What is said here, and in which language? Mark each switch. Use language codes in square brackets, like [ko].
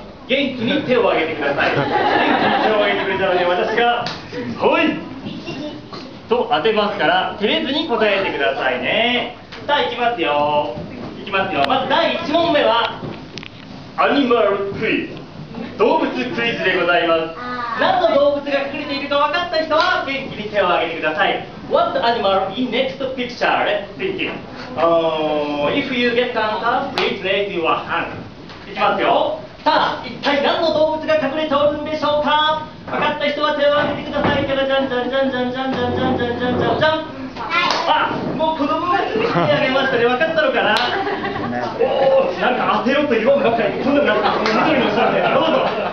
[ja] 元気に手を挙げてください。元気に手を挙げてくれたので、私が、はいと当てますから、照れずに答えてくださいね。さあ、いきますよ。いきますよ。まず第1問目は、アニマルクイズ。動物クイズでございます。何の動物が隠れているか分かった人は元気に手を挙げてください。 [en] What animal in next picture? Let's think it. If you get the answer, please raise your hand. [ja] いきますよ。さあ、一体何の動物が隠れておるんでしょうか。分かった人は手を挙げてください。じゃらじゃんじゃんじゃんじゃんじゃんじゃんじゃんじゃんじゃんじゃんじゃん。あ、もう子供が手を挙げましたね。分かったのかな。おお、なんか当てろと言わんばかり。こんなになんか緑の下で。なるほど。